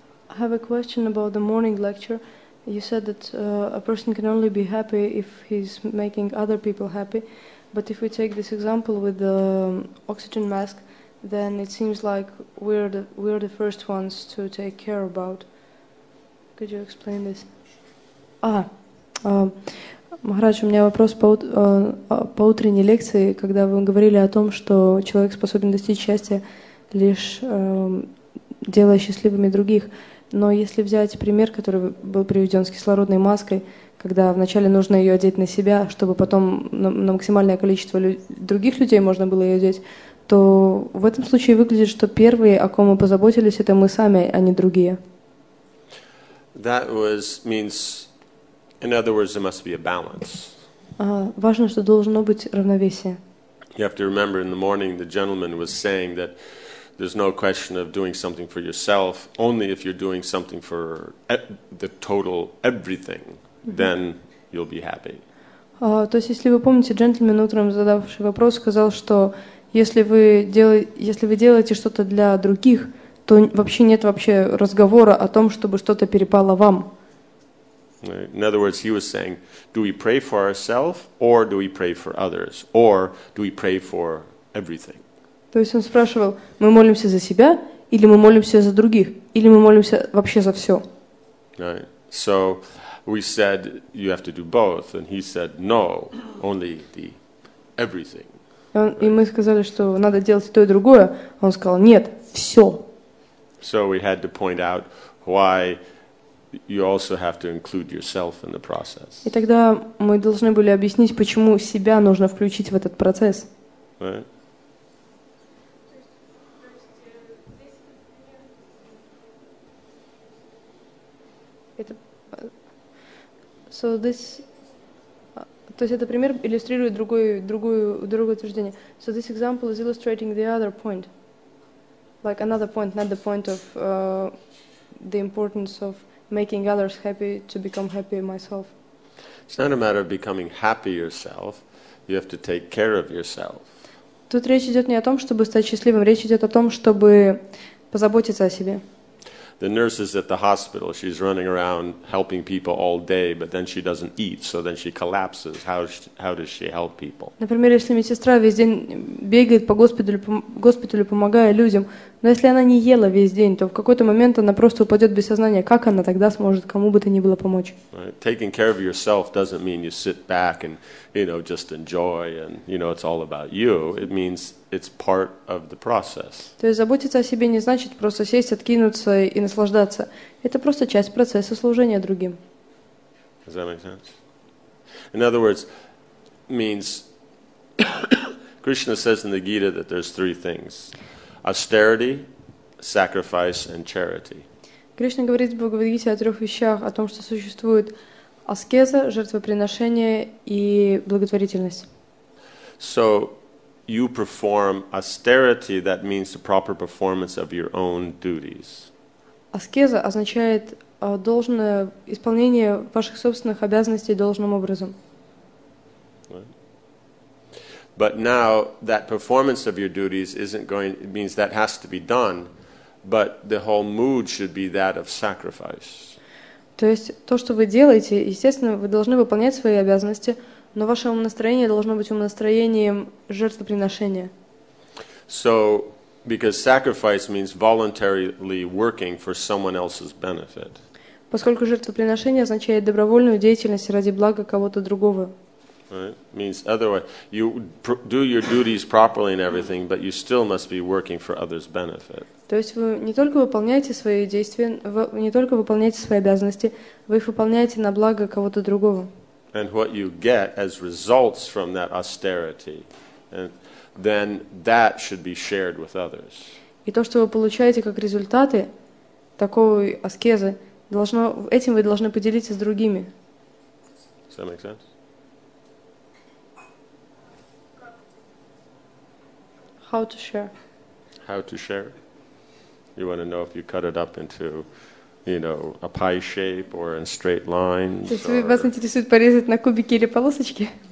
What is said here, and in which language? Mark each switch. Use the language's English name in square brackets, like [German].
[English] I have a question about the morning lecture. You said that a person can only be happy if he's making other people happy. But if we take this example with the oxygen mask, then it seems like we're the first ones to take care about. Could you explain this? [Russian] Махарадж, у меня вопрос по утренней лекции, когда вы говорили о том, что человек способен достичь счастья, лишь делая счастливыми других. Но если взять пример, который был приведен с кислородной маской, когда вначале нужно ее одеть на себя, чтобы потом на максимальное количество других людей можно было ее одеть, то в этом случае выглядит, что первые, о ком мы позаботились, это мы сами, а не другие. [English] That was, means, in other words, there must be a balance. [Russian] Важно, что должно быть равновесие. [English] You have to remember, in the morning the gentleman was saying that there's no question of doing something for yourself. Only if you're doing something for the total everything, then you'll be happy. [Russian] То есть, если вы помните, джентльмен утром задавший вопрос сказал, что если вы делаете что-то для других, то вообще нет вообще разговора о том, чтобы что-то перепало вам. [English] In other words, he was saying, do we pray for ourselves, or do we pray for others, or do we pray for everything? [Russian] То есть он спрашивал, мы молимся за себя, или мы молимся за других, или мы молимся вообще за все? [English] Right. So we said you have to do both, and he said no, only the everything. [Russian] И мы сказали, что надо делать то и другое. Он сказал, нет, все. [English] So we had to point out why you also have to include yourself in the process. [Russian] И тогда мы должны были объяснить, почему себя нужно включить в этот процесс. [English] Right. So this, [Russian] то есть это пример иллюстрирует другое утверждение. [English] So this example is illustrating the other point, like another point, not the point of the importance of making others happy to become happy myself. It's not a matter of becoming happy yourself. You have to take care of yourself. [Russian] Тут речь идет не о том, чтобы стать счастливым. Речь идет о том, чтобы позаботиться о себе. [English] The nurse is at the hospital. She's running around helping people all day, but then she doesn't eat, so then she collapses. How does she help people? [Russian] Например, если медсестра весь день бегает по госпиталю, помогая людям, но если она не ела весь день, то в какой-то момент она просто упадет без сознания. Как она тогда сможет кому бы то ни было помочь? [English] Right. Taking care of yourself doesn't mean you sit back and, you know, just enjoy and, you know, it's all about you. It means it's part of the process. [Russian] То есть заботиться о себе не значит просто сесть, откинуться и наслаждаться. Это просто часть процесса служения другим. [English] Does that make sense? In other words, means Krishna says in the Gita that there's three things. Austerity, sacrifice, and charity. [Russian] Кришна говорит в Бхагавад-гите о трех вещах, о том, что существует аскеза, жертвоприношение и благотворительность. [English] So you perform austerity, that means the proper performance of your own duties. [Russian] Аскеза означает должное исполнение ваших собственных обязанностей должным образом. [English] But now that performance of your duties isn't going, it means that has to be done, but the whole mood should be that of sacrifice. [Russian] То есть то, что вы делаете, естественно, вы должны выполнять свои обязанности, но ваше настроение должно быть настроением жертвоприношения. [English] So, because sacrifice means voluntarily working for someone else's benefit. [Russian] Поскольку жертвоприношение означает добровольную деятельность ради блага кого-то другого. [English] Right? Means otherwise, you do your duties properly and everything, but you still must be working for others' benefit. [Russian] То есть вы не только выполняете свои действия, не только выполняете свои обязанности, вы их выполняете на благо кого-то другого. [English] And what you get as results from that austerity, and then that should be shared with others. [Russian] И то, что вы получаете как результаты такой аскезы, должно, этим вы должны поделиться с другими. [English] Does that make sense? How to share? How to share? You want to know if you cut it up into, you know, a pie shape or in straight lines? [Russian] То есть вас интересует порезать на кубики или полосочки?